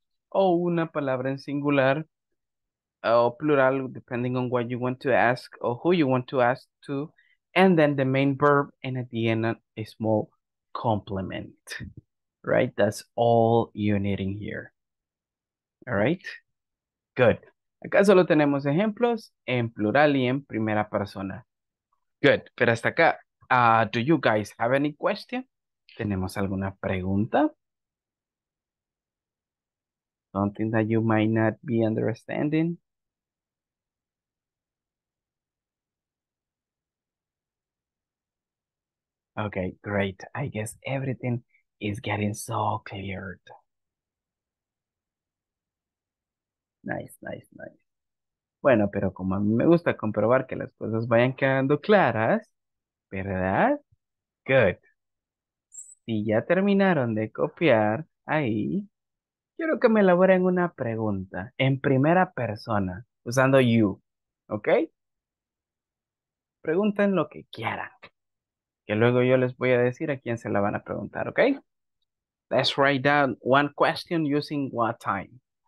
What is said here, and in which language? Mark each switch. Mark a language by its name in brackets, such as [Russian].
[Spanish] O una palabra en singular, o plural, [English] depending on what you want to ask, or who you want to ask to, and then the main verb, and at the end, a small complement, right? That's all you're needing here, all right? Good. [Spanish] Acá solo tenemos ejemplos en plural y en primera persona. [English] Good, [Spanish] pero hasta acá, [English] do you guys have any question? [Spanish] ¿Tenemos alguna pregunta? [English] Something that you might not be understanding? Okay, great. I guess everything is getting so cleared. Nice, nice, nice. [Spanish] Bueno, pero como a mí me gusta comprobar que las cosas vayan quedando claras, ¿verdad? Good. Si ya terminaron de copiar ahí, quiero que me elaboren una pregunta en primera persona, usando you, ¿ok? Pregunten lo que quieran, que luego yo les voy a decir a quién se la van a preguntar, ¿ok? [English] Let's write down one question using what time.